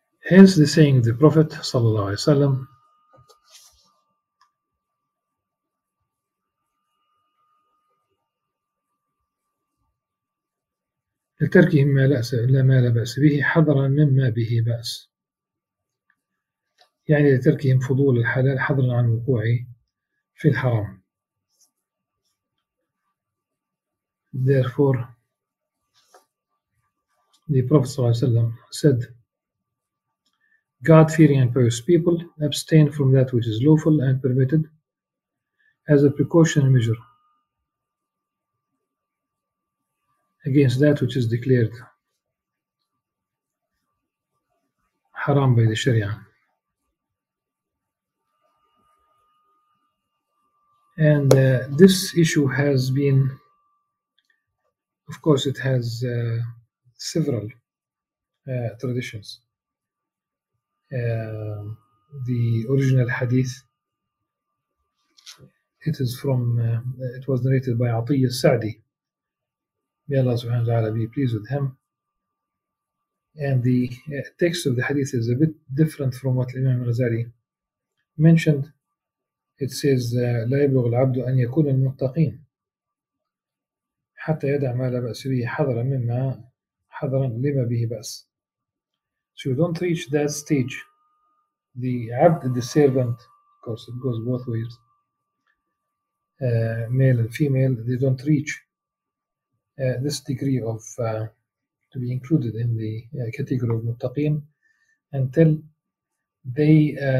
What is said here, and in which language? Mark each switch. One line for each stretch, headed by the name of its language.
English: Hence the saying of the Prophet
Arabic: صلى الله عليه وسلم, لتركهم ما لا بأس به حذرا مما به بأس. يعني لتركهم فضول الحلال حذرا عن وقوعه في الحرام.
English: Therefore, the Prophet ﷺ said, God-fearing and pious people abstain from that which is lawful and permitted as a precautionary measure against that which is declared haram by the Sharia. And this issue has been, of course, it has several traditions. The original hadith, it is from, it was narrated by Atiyya al-Sa'di. May Allah subhanahu wa ta'ala be pleased with him. And the text of the hadith is a bit different from what Imam al-Razali mentioned. It says
Arabic: لا يبلغ العبد أن يكون المتقين حتى يدع ما لا بأس به حذرا مما حذرا لما به بأس.
English: So you don't reach that stage. The عبد, the servant, of course it goes both ways, male and female, they don't reach this degree of to be included in the category of المتقين until they